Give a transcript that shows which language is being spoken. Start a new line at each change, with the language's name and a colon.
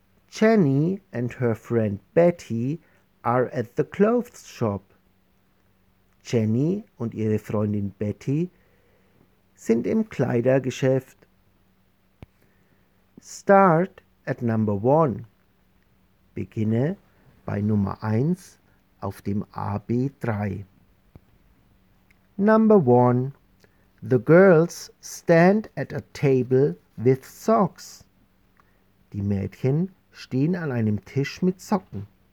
English: Jenny and her friend Betty are at the clothes shop.
German: Jenny und ihre Freundin Betty sind im Kleidergeschäft.
English: Start at number one.
German: Beginne bei Nummer 1 auf dem AB3.
English: Number one. The girls stand at a table with socks.
German: Die Mädchen stehen an einem Tisch mit Socken.